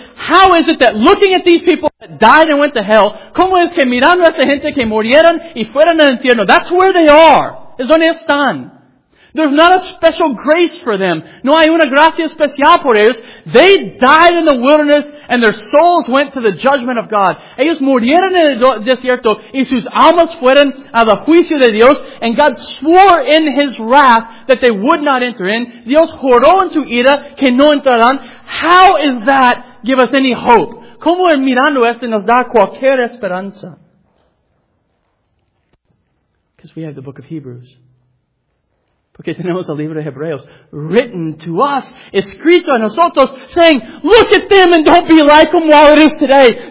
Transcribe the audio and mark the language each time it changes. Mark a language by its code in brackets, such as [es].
[en] How is it that looking at these people that died and went to hell, [es] ¿cómo es que mirando a esta gente que murieron y fueron al infierno? [en] That's where they are. [es] Es donde están. [en] There's not a special grace for them. [es] No hay una gracia especial por ellos. [en] They died in the wilderness and their souls went to the judgment of God. [es] Ellos murieron en el desierto y sus almas fueron a la juicio de Dios. [en] And God swore in His wrath that they would not enter in. [es] Dios juró en su ira que no entrarán. [en] How is that give us any hope? [es] ¿Cómo en mirando esto nos da cualquier esperanza? [en] Because we have the book of Hebrews. [es] Porque tenemos el libro de Hebreos, [en] written to us, [es] escrito a nosotros, [en] saying, look at them and don't be like them while it is today.